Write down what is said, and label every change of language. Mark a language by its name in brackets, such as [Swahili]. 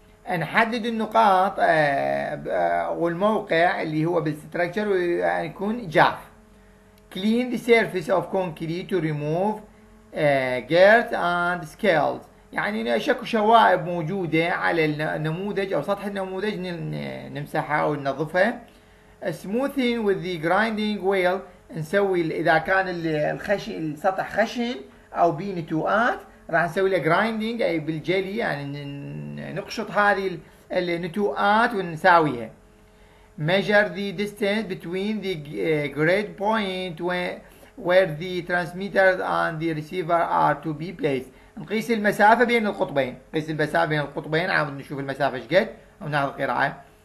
[Arabic] نحدد النقاط والموقع اللي هو بالستراكشر ويكون يكون جاف. [English] clean the surface of concrete to remove dirt and scales. [Arabic] يعني شكو شوائب موجودة على النموذج أو سطح النموذج نمسحها أو ننظفها. [English] smoothing with the grinding wheel. [Arabic] نسوي إذا كان الخشن السطح خشن أو بين نتوءات راح نسوي له grinding أي بالجلي، يعني نقشط هذه النتوءات ونساويها. [English] measure the distance between the grade point where the transmitter and the receiver are to be placed. [Arabic] نقيس المسافة بين القطبين، نقيس المسافة بين القطبين عاود نشوف المسافة ايش قد ونعرض القراءة.